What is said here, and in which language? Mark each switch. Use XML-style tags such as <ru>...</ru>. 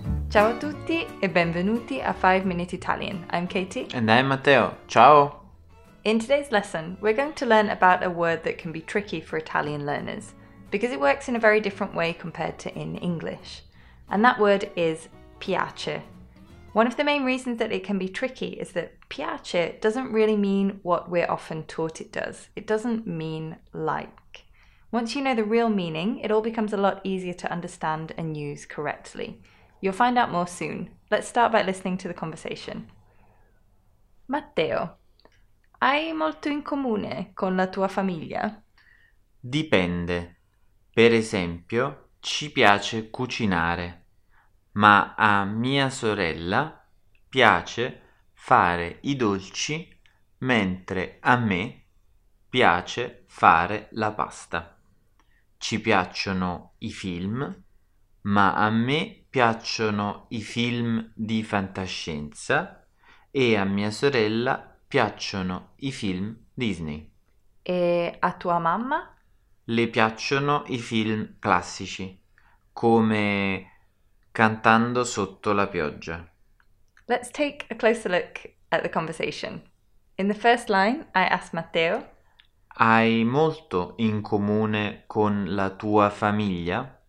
<it>Ciao a tutti e benvenuti a 5 Minute Italian.</it> <en>I'm Katie. And I'm Matteo. Ciao! In today's lesson, we're going to learn about a word that can be tricky for Italian learners, because it works in a very different way compared to in English. And that word is piace. One of the main reasons that it can be tricky is that piace doesn't really mean what we're often taught it does. It doesn't mean like. Once you know the real meaning, it all becomes a lot easier to understand and use correctly. You'll find out more soon. Let's start by listening to the conversation.</en> <it>Matteo, hai molto in comune con la tua famiglia? Dipende. Per esempio, ci piace cucinare, ma a mia sorella piace fare i dolci, mentre a me piace fare la pasta. Ci piacciono i film, ma a me piacciono i film di fantascienza e a mia sorella piacciono i film Disney. E a tua mamma? Le piacciono i film classici, come Cantando sotto la pioggia.</it> <en>Let's take a closer look at the conversation. In the first line, I ask Matteo.</en> <it>Hai molto in comune con la tua famiglia?</it>